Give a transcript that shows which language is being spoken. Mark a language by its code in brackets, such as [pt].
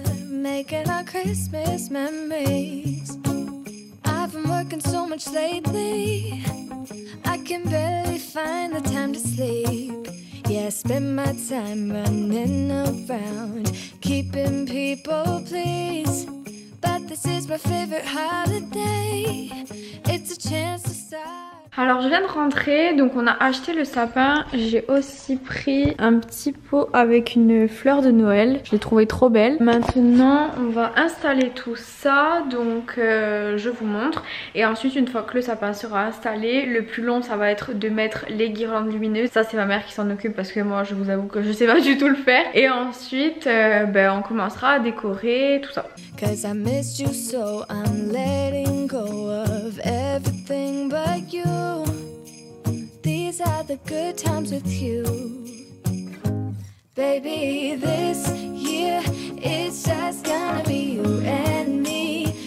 [en] Making our Christmas memories, I've been working so much lately, I can barely find the time to sleep. Yeah, I spend my time running around, keeping people pleased. But this is my favorite holiday, it's a chance to start. [fr] Alors je viens de rentrer, donc on a acheté le sapin. J'ai aussi pris un petit pot avec une fleur de Noël, je l'ai trouvé trop belle. Maintenant on va installer tout ça, donc je vous montre. Et ensuite une fois que le sapin sera installé, le plus long ça va être de mettre les guirlandes lumineuses. Ça c'est ma mère qui s'en occupe parce que moi je vous avoue que je sais pas du tout le faire. Et ensuite on commencera à décorer tout ça. [en] Cause I missed you so I'm letting go of everything but you. These are the good times with you. Baby, this year it's just gonna be you and me.